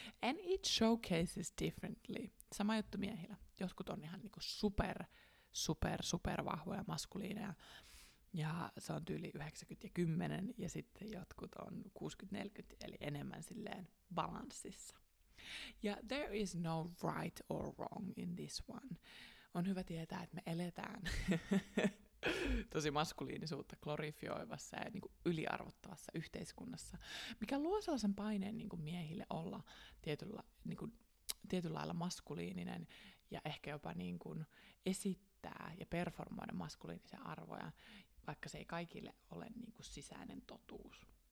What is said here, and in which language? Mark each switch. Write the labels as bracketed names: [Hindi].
[English] And it showcases differently. [Finnish] Sama juttu miehillä. Jotkut on ihan niinku super vahvoja maskuliineja. Ja se on tyyli 90 ja 10. Ja sitten jotkut on 60-40, eli enemmän silleen balanssissa. [English] Ja there is no right or wrong in this one. [Finnish] On hyvä tietää, että me eletään tosi maskuliinisuutta glorifioivassa ja niin kuin yliarvottavassa yhteiskunnassa, mikä luo sellaisen paineen niin kuin miehille olla tietyllä lailla maskuliininen ja ehkä jopa niin kuin esittää ja performoida maskuliinisia arvoja, vaikka se ei kaikille ole niin kuin sisäinen totuus.